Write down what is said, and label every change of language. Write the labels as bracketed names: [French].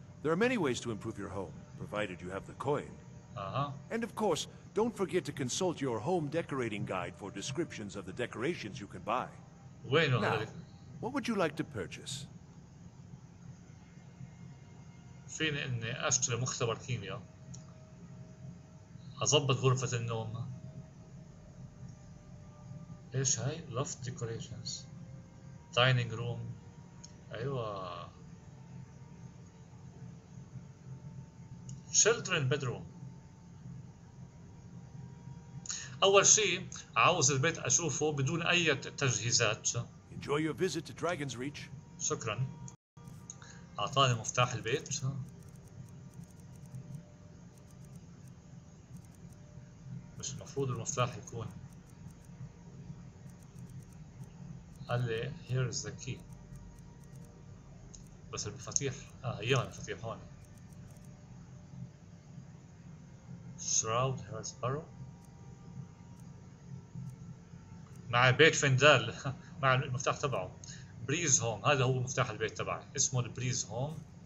[English] There are many ways to improve your home, provided you have the coin. And of course, don't forget to consult your home decorating guide for descriptions of the decorations you can buy. Now, what would you like to purchase? [Arabic] فين إني أشتري مختبر كيمياء؟ أضبط غرفة النوم. إيش هاي؟ [English] Loft decorations. Dining room. أيوة. Children bedroom. [Arabic] أول شيء عاوز البيت أشوفه بدون أي تجهيزات. [English] Enjoy your visit to Dragon's Reach. [Arabic] شكرا. أعطاني مفتاح البيت. مش المفروض المفتاح يكون. قال لي [English] here is the key. [Arabic] بس المفاتيح هي المفاتيح هون. [English] Shroud has arrow. [Arabic] مع بيت فندال مع المفتاح تبعه. بريز هوم هذا هو مفتاح البيت تبعي اسمه البريز هوم.